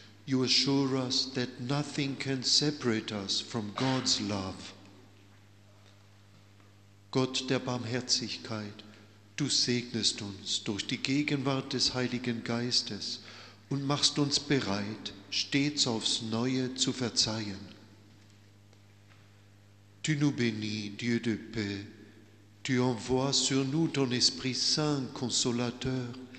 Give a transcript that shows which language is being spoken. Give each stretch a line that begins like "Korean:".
English: You assure us that nothing can separate us from God's love.
German: Gott der Barmherzigkeit, du segnest uns durch die Gegenwart des Heiligen Geistes und machst uns bereit, stets aufs Neue zu verzeihen.
French: Tu nous bénis, Dieu de paix. Tu envoies sur nous ton Esprit Saint, Consolateur.